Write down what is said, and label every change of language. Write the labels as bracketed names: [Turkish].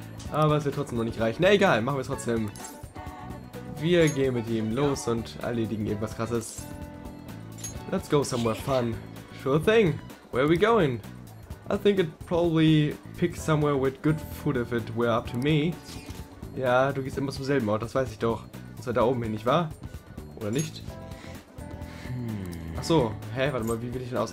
[German] Aber es wird trotzdem noch nicht reichen. Na egal, machen wir es trotzdem. Wir gehen mit ihm los und erledigen irgendwas Krasses. [English] Let's go somewhere fun. Sure thing. Where are we going? I think I'd probably pick somewhere with good food if it were up to me. [German] Ja, du gehst immer zum selben Ort, das weiß ich doch. Und zwar da oben hin, nicht wahr? Oder nicht? Ach so, hä, warte mal, wie will ich denn aus?